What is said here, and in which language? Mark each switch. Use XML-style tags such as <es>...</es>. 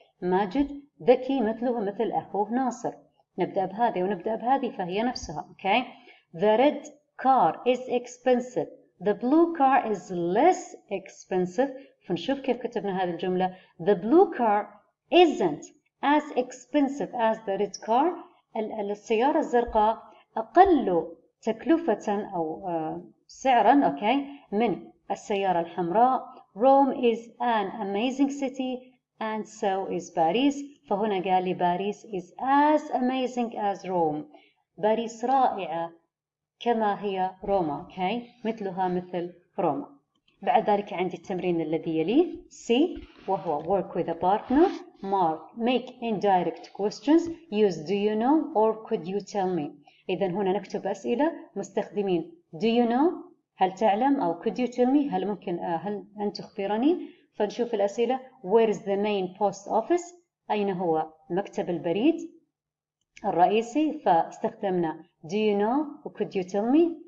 <ar>Majid ذكي مثله مثل أخوه ناصر. نبدأ بهذه ونبدأ بهذه فهي نفسها.</ar> <en>Okay. The red car is expensive. The blue car is less expensive.</en> <ar>فنشوف كيف كتبنا هذه الجملة.</ar> <en>The blue car isn't as expensive as the red car.</en> <ar>السيارة الزرقاء أقل تكلفة أو سعرا okay, من السيارة الحمراء.</ar> <en>Rome is an amazing city and so is Paris.</en> <ar>فهنا قال لي</ar> <en>Paris is as amazing as Rome.</en> <ar>باريس رائعة كما هي روما okay, مثلها مثل روما. بعد ذلك عندي التمرين الذي يليه C, وهو</ar> <en>work with a partner. Mark, make indirect questions. Use do you know or could you tell me.</en> <ar>إذا هنا نكتب أسئلة مستخدمين</ar> <en>do you know,</en> <ar>هل تعلم, أو</ar> <en>could you tell me,</en> <ar>هل ممكن هل أن تخبرني. فنشوف الأسئلة,</ar> <en>where is the main post office,</en> <ar>أين هو مكتب البريد الرئيسي. فاستخدمنا</ar> <en>do you know or could you tell me.</en>